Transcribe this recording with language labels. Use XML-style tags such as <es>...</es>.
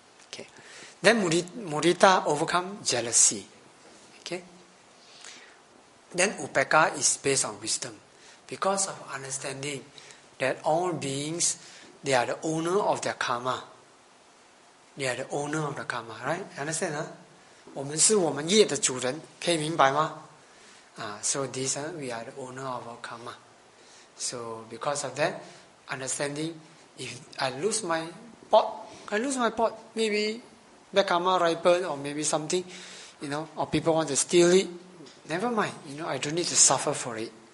<en>Okay. Then mudita overcome jealousy. Okay. Then upekka is based on wisdom. Because of understanding that all beings, they are the owner of their karma. They are the owner of the karma, right? Understand, huh?</en> <zh>我们是我们业的主人,可以明白吗?</zh> <en>So this, we are the owner of our karma. So because of that, understanding,If I lose my pot, maybe bad karma ripen or maybe something, you know, or people want to steal it, never mind, you know, I don't need to suffer for it.</en>